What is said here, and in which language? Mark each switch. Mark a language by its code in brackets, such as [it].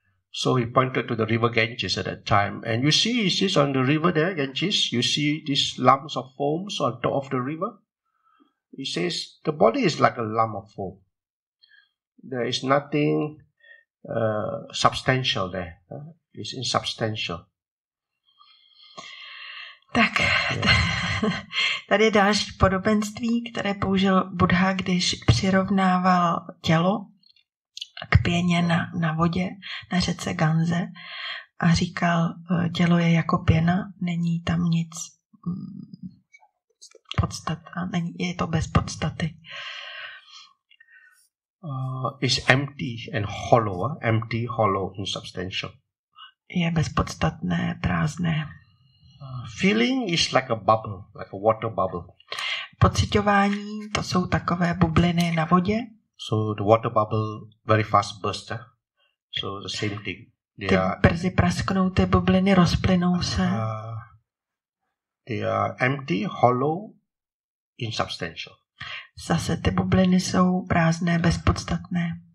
[en] So he pointed to the river Ganges at that time. And you see, he sits on the river there, Ganges. You see these lumps of foam on top of the river. He says, the body is like a lump of foam. There is nothing substantial there. It's insubstantial. [cs] Tak, tady je další podobenství, které použil Buddha, když přirovnával tělo k pěně na vodě, na řece Gange, a říkal, tělo je jako pěna, není tam nic podstata, není, je to bez podstaty. [en] Is empty and hollow, empty, hollow, insubstantial. [cs] Je bezpodstatné, prázdné. [en] Feeling is like a bubble, like a water bubble. [cs] Pociťování, to jsou takové bubliny na vodě. [en] So the water bubble very fast burst. So the same thing. [cs] They ty are, brzy prasknou, ty bubliny rozplynou se. [en] They are empty, hollow, insubstantial. [cs] Zase ty bubliny jsou prázdné, bezpodstatné.